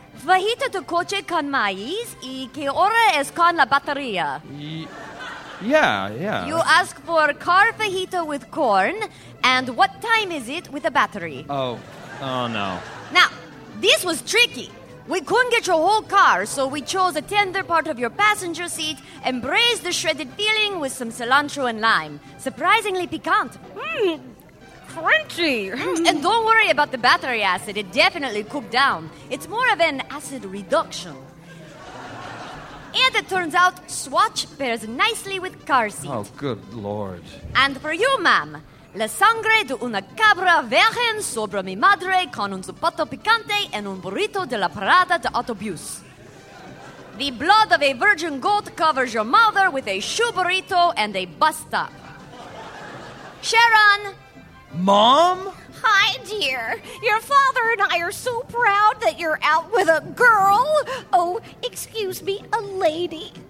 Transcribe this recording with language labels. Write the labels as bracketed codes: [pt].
[es] Fajita de coche con maíz y que hora es con la batería. [en] Yeah. You ask for car fajita with corn, and what time is it with a battery? Oh no. Now, this was tricky. We couldn't get your whole car, so we chose a tender part of your passenger seat and braised the shredded filling with some cilantro and lime. Surprisingly piquant. Mmm, crunchy. And don't worry about the battery acid. It definitely cooked down. It's more of an acid reduction. And it turns out Swatch pairs nicely with car seat. Oh, good Lord. And for you, ma'am. [es] La sangre de una cabra virgen sobre mi madre con un zapato picante en un burrito de la parada de autobús. [en] The blood of a virgin goat covers your mother with a shoe burrito and a bus stop. Sharon! Mom? Hi, dear. Your father and I are so proud that you're out with a girl. Oh, excuse me, a lady.